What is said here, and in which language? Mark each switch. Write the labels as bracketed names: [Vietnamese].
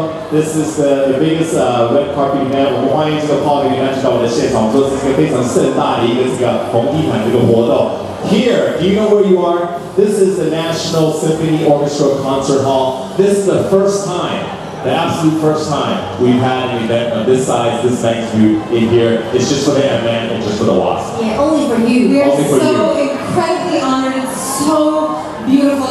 [English] This is the biggest red carpet event. [Chinese] 我们欢迎这个 Paul 跟 Angela 的现场，说是一个非常盛大的一个这个红地毯这个活动。 [English] Here, do you know where you are? This is the National Symphony Orchestra Concert Hall. This is the first time, the absolute first time we've had an event of this size, this magnitude in here. It's just for the event and just for the Wasp. Yeah, only for you. We're so incredibly honored. It's so beautiful.